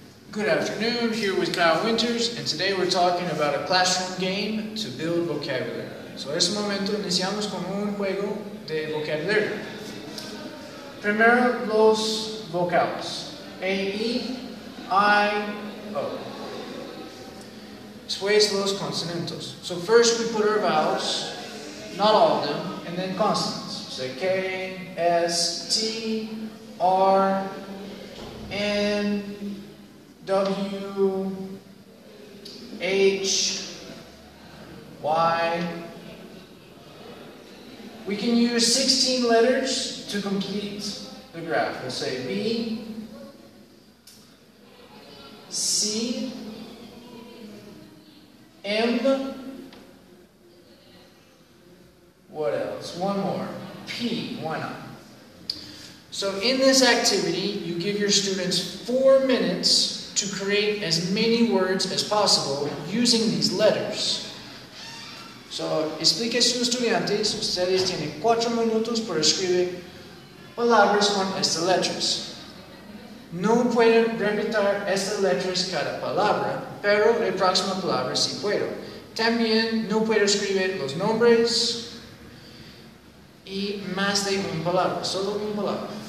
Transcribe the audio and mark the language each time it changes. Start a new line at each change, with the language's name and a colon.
English: Good afternoon, here with Kyle Winters, and today we're talking about a classroom game to build vocabulary.
Spanish: So, en este momento iniciamos con un juego de vocabulario. Primero, los vocales. A, E, I, O. Después, los consonantes.
English: So, first we put our vowels, not all of them, and then consonants. So, K, S, T, R, N, W, H, Y. We can use 16 letters to complete the graph. We'll say B, C, M, what else? One more. P, why not? So in this activity, you give your students 4 minutes to create as many words as possible using these letters.
Spanish: So, explique a sus estudiantes, ustedes tienen 4 minutos para escribir palabras con estas letras. No pueden repetir estas letras cada palabra, pero la próxima palabra sí puedo. También no puedo escribir los nombres y más de una palabra, solo una palabra.